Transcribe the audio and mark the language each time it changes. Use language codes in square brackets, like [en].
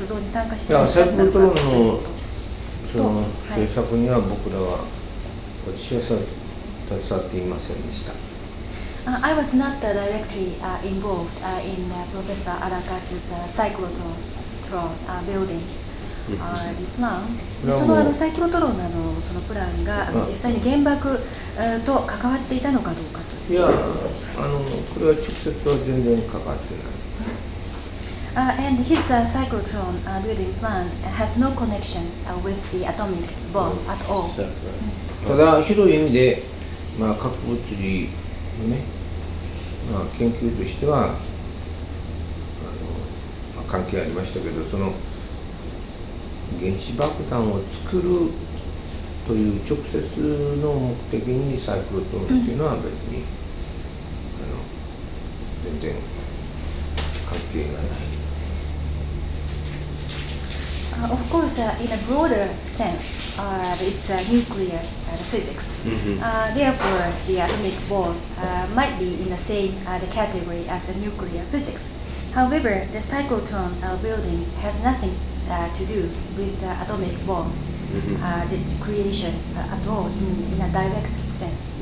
[ja] 1945年頃の話に戻りたいんですけれども、荒勝教授の元で勉強をされていらっしゃって、サイクロトロンを荒勝先生の方が作ろうという試みをなされていたんですけれども、その荒勝先生の、サイクロトロン構築のプランの中で、堀場会長もそれに参加をしてらっしゃったのかどうか、その活動に参加してらっしゃったのか。その制作には僕らは、私は携わっていませんでした。 [en] I was not directly involved in Professor Arakatsu's cyclotron building the plan. [ja] そのサイクロトロン の, そのプランが実際に原爆と関わっていたのかどうかという。いや、これは直接は全然関わってない。 [en] And his cyclotron building plan has no connection with the atomic bomb at all. [ja] ただ広い意味で、まあ、核物理のね、まあ、研究としては関係ありましたけど、その原子爆弾を作るという直接の目的にサイクロトロンっていうのは別に、全然関係がない。 [en] Of course, in a broader sense, it's nuclear physics. Mm-hmm. Therefore, the atomic bomb might be in the same the category as the nuclear physics. However, the cyclotron building has nothing to do with the atomic bomb the creation at all in a direct sense.